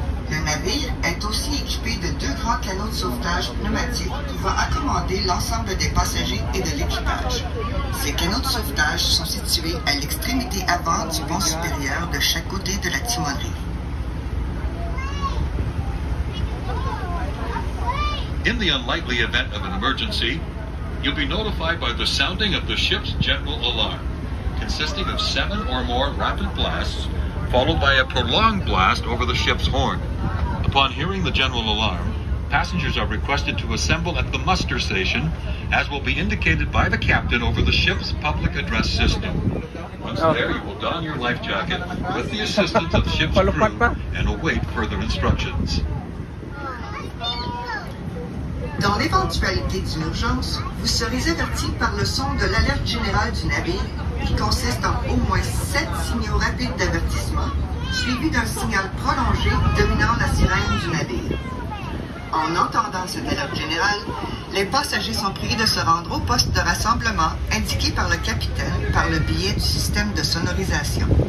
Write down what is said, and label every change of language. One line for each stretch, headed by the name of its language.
French: Le navire est aussi équipé de deux grands canaux de sauvetage pneumatiques pouvant accommoder l'ensemble des passagers et de l'équipage. Ces canaux de sauvetage sont situés à l'extrémité avant du pont supérieur de chaque côté de la timonerie.
English: In the unlikely event of an emergency, you'll be notified by the sounding of the ship's general alarm, consisting of 7 or more rapid blasts, followed by a prolonged blast over the ship's horn. Upon hearing the general alarm, passengers are requested to assemble at the muster station, as will be indicated by the captain over the ship's public address system. Once there, you will don your life jacket with the assistance of ship's crew and await further instructions.
French: Dans l'éventualité d'une urgence, vous serez averti par le son de l'alerte générale du navire, qui consiste en au moins 7 signaux rapides d'avertissement, suivis d'un signal prolongé dominant la sirène du navire. En entendant cette alerte générale, les passagers sont priés de se rendre au poste de rassemblement indiqué par le capitaine par le biais du système de sonorisation.